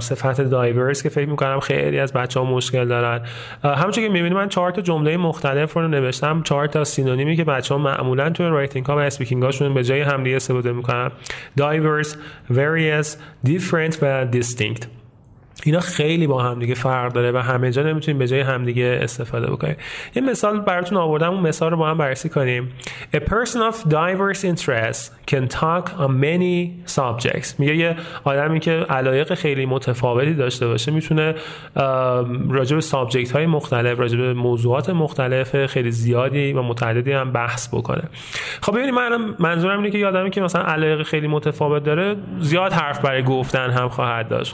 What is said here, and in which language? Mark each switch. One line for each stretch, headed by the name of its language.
Persian: صفت دایورس که فکر میکنم خیلی از بچه ها مشکل دارن، همچون که میبینیم من 4 تا جمله مختلف رو نوشتم، 4 تا سینونیمی که بچه ها معمولا توی رایتینگ ها و اسپیکینگ هاشون به جای همدیگه استفاده میکنن: دایورس، ویریس، دیفرنت و دیستینکت. اینا خیلی با هم دیگه فرق داره و همه جا نمیتونیم به جای هم دیگه استفاده بکنیم. یه مثال براتون آوردم، اون مثال رو با هم بررسی کنیم.
English: A person of diverse interests can talk on many subjects.
Persian: میگه یه آدمی که علایق خیلی متفاوتی داشته باشه میتونه راجع به سابجکت های مختلف، راجع به موضوعات مختلف خیلی زیادی و متعددی هم بحث بکنه. خب ببینید، منظورم اینه که یه آدمی که مثلا علایق خیلی متفاوت داره زیاد حرف برای گفتن هم خواهد داشت.